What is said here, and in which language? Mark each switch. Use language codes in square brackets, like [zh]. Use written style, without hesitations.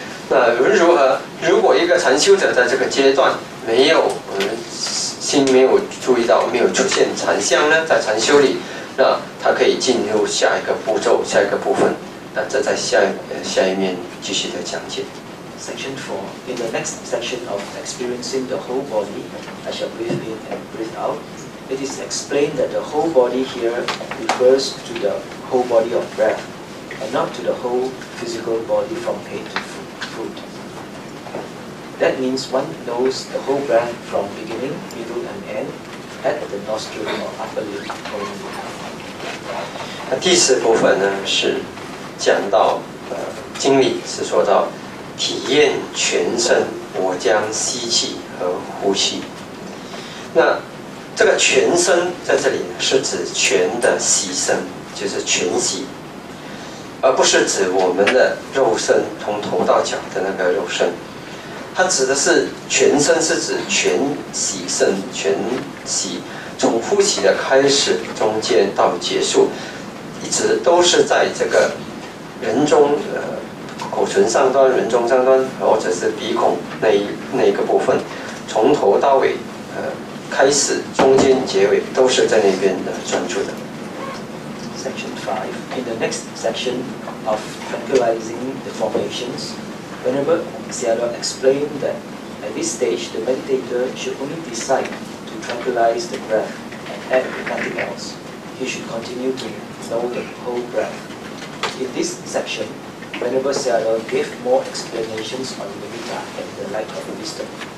[zh] 那无论如何，如果一个禅修者在这个阶段没有心没有注意到没有出现禅相呢，在禅修里，那他可以进入下一个步骤、下一个部分。那这在下一面继续的讲解。 [en] Section 4. In the next section of experiencing the whole body, I shall breathe in and breathe out. It is explained that the whole body here refers to the whole body of breath, and not to the whole physical body from head to foot. That means one knows the whole breath from beginning, middle, and end at the nostril or upper lip only. [zh] 那第四部分呢是讲到经理是说到体验全身，我将吸气和呼吸。那这个全身在这里是指全的吸身，就是全息，而不是指我们的肉身，从头到脚的那个肉身。它指的是全身，是指全息身，全息从呼吸的开始、中间到结束，一直都是在这个人中口唇上端、人中上端，或者是鼻孔那一个部分，从头到尾，开始、中间、结尾都是在那边的专注的。 [en] Section 5. In the next section of tranquilizing the formations, whenever Sayadaw explained that at this stage the meditator should only decide to tranquilize the breath and add nothing else. He should continue to know the whole breath. In this section,Venerable Sayadaw gave more explanations on nimitta and the light of wisdom.